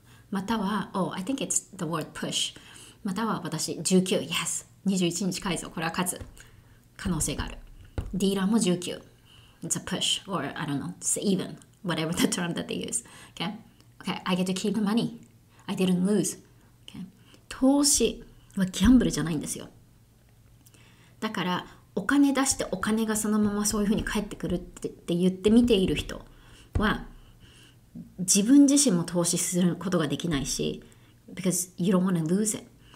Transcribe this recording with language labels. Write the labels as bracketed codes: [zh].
[ja] または、 [en] oh, I think it's the word push. [ja] または私19、yes、21に近いぞ。これは勝つ可能性がある。ディーラーも19。 [en] It's a push or I don't know, it's even, whatever the term that they use. Okay, okay, I get to keep the money. I didn't lose. [ja] Okay, 投資はギャンブルじゃないんですよ。だからお金出してお金がそのままそういうふうに返ってくるって言って見ている人は自分自身も投資することができないし [en] because you don't want to lose it.